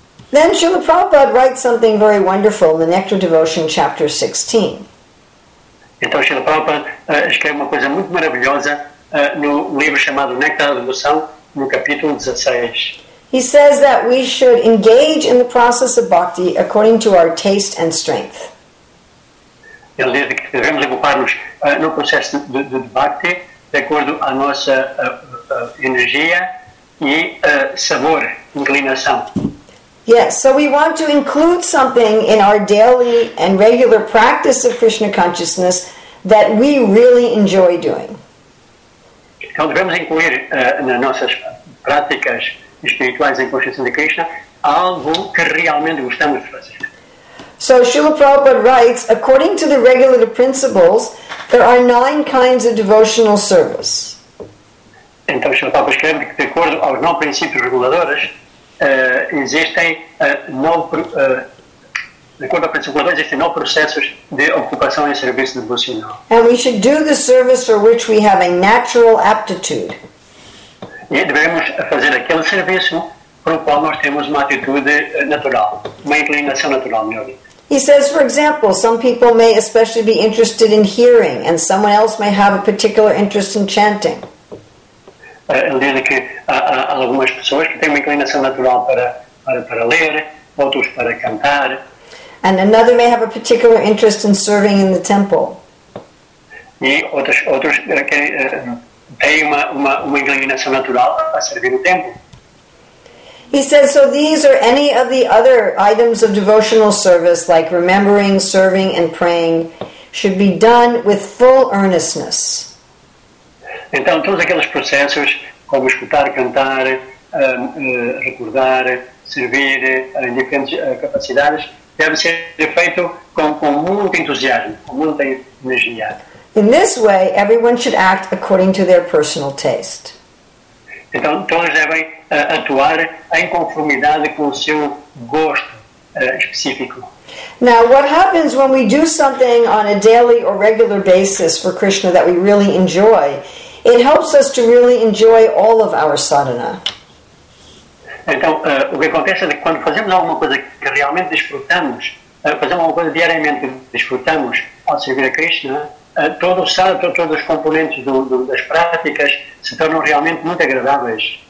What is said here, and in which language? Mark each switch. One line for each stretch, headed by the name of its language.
English: Then Srila Prabhupada writes something very wonderful in the Nectar Devotion, chapter 16.
Portuguese: Então Srila Prabhupada escreve uma coisa muito maravilhosa no livro chamado Nectar da Devoção, no capítulo 16.
English: He says that we should engage in the process of bhakti according to our taste and strength.
Portuguese: Ele diz que devemos ocupar-nos no processo de bhakti de acordo à nossa energia e sabor, inclinação.
English: Yes, so we want to include something in our daily and regular practice of Krishna consciousness that we really enjoy doing.
Portuguese: Então devemos incluir nas nossas práticas espirituais em consciência de Krishna algo que realmente gostamos de fazer.
English: So Srila Prabhupada writes, according to the regulative principles, there are 9 kinds of devotional service.
Portuguese: Então, Srila Prabhupada escreve que, de acordo aos 9 princípios reguladores, existem 9 processos de ocupação em serviço devocional.
English: And we should do the service for which we have a natural aptitude.
Portuguese: E devemos fazer aquele serviço para o qual nós temos uma atitude natural, uma inclinação natural, melhor dito.
English: He says, for example, some people may especially be interested in hearing, and someone else may have a particular interest in chanting.
Portuguese: Ele diz que há algumas pessoas que têm uma inclinação natural para ler, outros para cantar.
English: And another may have a particular interest in serving in the temple.
Portuguese: E outros têm uma inclinação natural a servir no templo.
English: He says, so these are any of the other items of devotional service, like remembering, serving, and praying, should be done with full earnestness.
Portuguese: Então, todos aqueles processos, como escutar, cantar, recordar, servir, em diferentes capacidades, devem ser feitos com muito entusiasmo, com muita energia.
English: In this way, everyone should act according to their personal taste.
Portuguese: Então, todos devem atuar em conformidade com o seu gosto específico.
English: Now, what happens when we do something on a daily or regular basis for Krishna that we really enjoy? It helps us to really enjoy all of our sadhana.
Portuguese: Então, o que acontece é que quando fazemos alguma coisa que realmente desfrutamos, fazemos alguma coisa diariamente que desfrutamos ao servir a Krishna, todos os componentes das práticas se tornam realmente muito agradáveis.